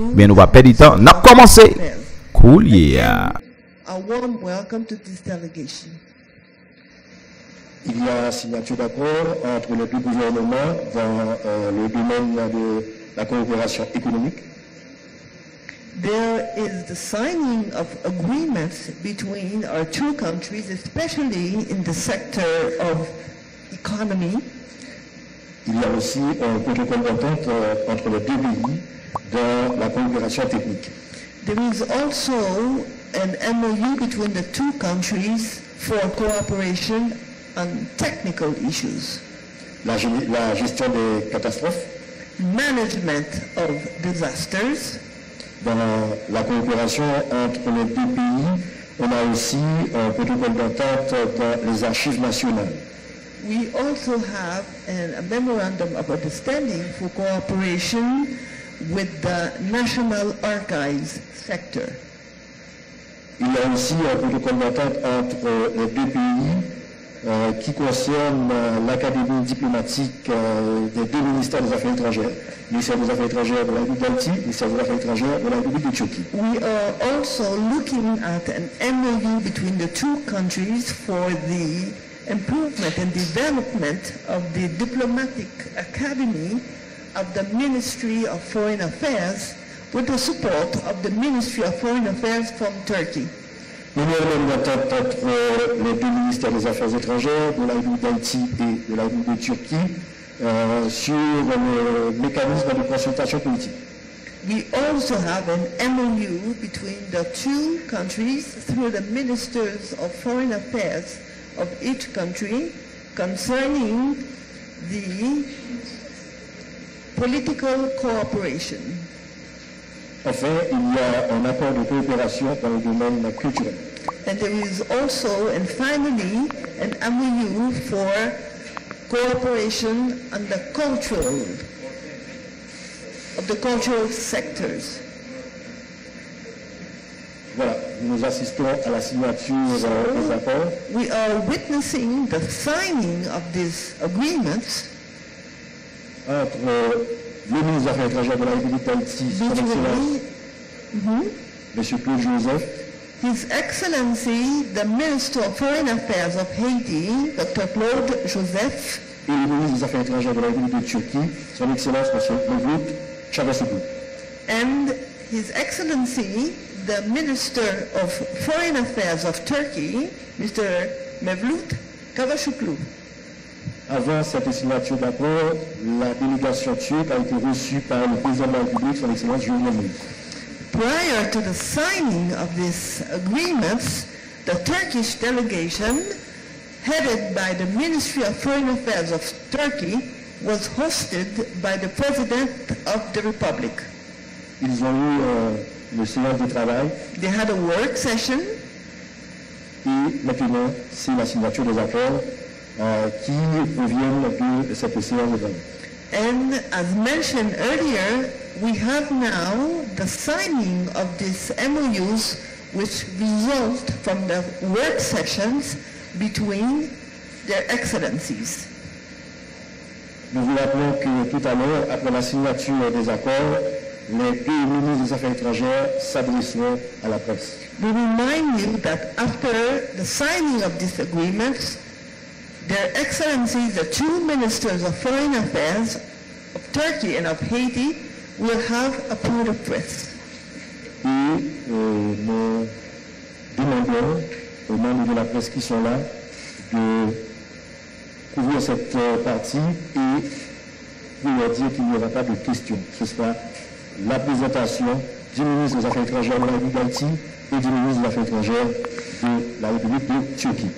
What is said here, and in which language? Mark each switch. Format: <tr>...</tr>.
<fr>Mais nous va pas perdre du temps. N'a commencé.</fr> <en>Cool yeah. A warm welcome to this delegation.</en> <fr>Il y a signature d'accord entre les deux gouvernements dans le domaine de la coopération économique.</fr> <en>There is the signing of agreements between our two countries, especially in the sector of economy.</en> <fr>Il y a aussi un protocole d'entente entre les deux pays dans la coopération technique.</fr> <en>There is also an MOU between the two countries for cooperation on technical issues.</en> <fr>La gestion des catastrophes.</fr> <en>Management of disasters.</en> <fr>Dans la coopération entre les deux pays, on a aussi un protocole d'entente pour les archives nationales.</fr> <en>We also have a memorandum of understanding for cooperation with the National Archives sector.</en> <fr>Il y a aussi un protocole d'entente entre les deux pays qui concerne l'académie diplomatique des deux ministères des Affaires étrangères, ministère des Affaires étrangères de la République d'Haïti, ministère des Affaires étrangères de la République d'Éthiopie.</fr> <en>We are also looking at an MOU between the two countries for the improvement and development of the diplomatic academy of the Ministry of Foreign Affairs with the support of the Ministry of Foreign Affairs from Turkey.</en> <fr>Mémorandum d'entente entre les deux ministères des Affaires étrangères de la République d'Haïti et de la République de Turquie sur le mécanisme de consultation politique.</fr> <en>We also have an MOU between the two countries through the ministers of foreign affairs of each country concerning the political cooperation.</en> <fr>Enfin, il y a un accord de coopération dans le domaine culturel.</fr> <en>And there is also, and finally, an MOU for cooperation on the cultural, of the cultural sectors.</en> <fr>Voilà, nous assistons à la signature des accords.</fr> <en>We are witnessing the signing of this agreement.</en> <fr>Entre le ministre des Affaires étrangères de la République d'Haïti, son excellence, Monsieur Claude Joseph.</fr> <en>His Excellency, the Minister of Foreign Affairs of Haiti, Dr. Claude Joseph.</en> <fr>Et le ministre des Affaires étrangères de la République de Turquie, son excellence, Monsieur Mevlut Çavuşoğlu.</fr> <en>And His Excellency, the Minister of Foreign Affairs of Turkey, Mr. Mevlut Çavuşoğlu.</en> <fr>Avant cette signature d'accord, la délégation turque a été reçue par le président de la République, son excellence, Julian Moon.</fr> <en>Prior to the signing of this agreement, the Turkish delegation, headed by the Ministry of Foreign Affairs of Turkey, was hosted by the President of the Republic.</en> <fr>Ils ont eu le séance de travail.</fr> <en>They had a work session.</en> <fr>Et maintenant, c'est la signature des accords qui provient de cette séance de travail.</fr> <en>And as mentioned earlier, we have now the signing of these MOUs which result from the work sessions between their excellencies.</en> <fr>Nous vous rappelons que tout à l'heure, après la signature des accords, les deux ministres des Affaires étrangères s'adresseront à la presse.</fr> <en>We remind you that after the signing of these agreements, their excellencies, the two ministers of foreign affairs of Turkey and of Haiti, will have a point of press.</en> <fr>Et nous demandons aux membres de la presse qui sont là de couvrir cette partie et nous leur dire qu'il n'y aura pas de questions. Ce sera la présentation du ministre des Affaires étrangères de la République d'Haïti et du ministre des Affaires étrangères de la République de Turquie.</fr>